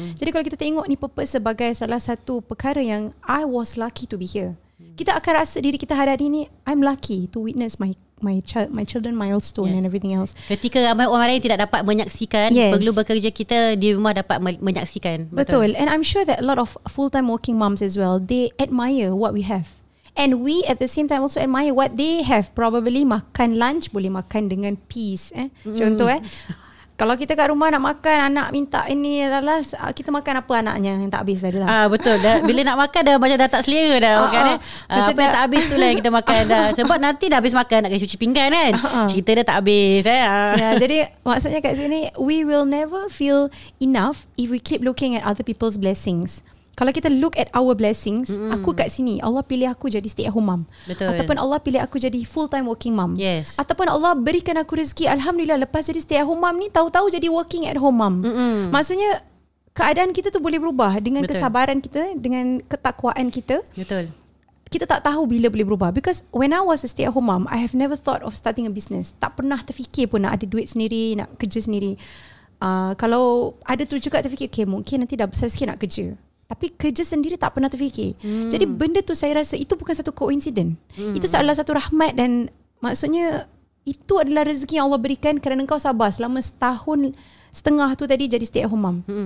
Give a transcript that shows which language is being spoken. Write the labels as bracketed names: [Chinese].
[Malay] Jadi kalau kita tengok ni purpose sebagai salah satu perkara yang [English] I was lucky to be here. [Malay] Kita akan rasa diri kita hari ini, [English] I'm lucky to witness my children milestone and everything else. [Malay] Ketika ramai orang lain tidak dapat menyaksikan, perlu bekerja, kita di rumah dapat menyaksikan. Betul. [English] And I'm sure that a lot of full-time working moms as well, they admire what we have. And we at the same time also admire what they have. [Malay] Probably makan lunch, boleh makan dengan peace. Contoh kalau kita kat rumah nak makan, anak minta ini lah, kita makan apa anaknya yang tak habis tadi lah. Betul. Dah, bila nak makan dah macam dah tak selera dah makan. Apa yang tak habis tu lah yang kita makan dah. Sebab nanti dah habis makan, nak kena cuci pinggan kan. Cerita dah tak habis. Jadi maksudnya kat sini, [English] we will never feel enough if we keep looking at other people's blessings. [Malay] Kalau kita [English] look at our blessings, [Malay] aku kat sini, Allah pilih aku jadi stay at home mom. Betul. Ataupun Allah pilih aku jadi full time working mom. [English] Yes. [Malay] Ataupun Allah berikan aku rezeki, alhamdulillah, lepas jadi stay at home mom ni, tahu-tahu jadi working at home mom. Maksudnya keadaan kita tu boleh berubah dengan kesabaran kita, dengan ketakwaan kita. Betul. Kita tak tahu bila boleh berubah. [English] Because when I was a stay at home mom, I have never thought of starting a business. [Malay] Tak pernah terfikir pun nak ada duit sendiri, nak kerja sendiri. Kalau ada tu juga terfikir, okay, mungkin nanti dah besar sikit nak kerja. Tapi kerja sendiri tak pernah terfikir. Jadi benda tu saya rasa itu bukan satu koinsiden. Itu adalah satu rahmat, dan maksudnya itu adalah rezeki yang Allah berikan kerana kau sabar selama setahun setengah tu tadi jadi stay at home mom.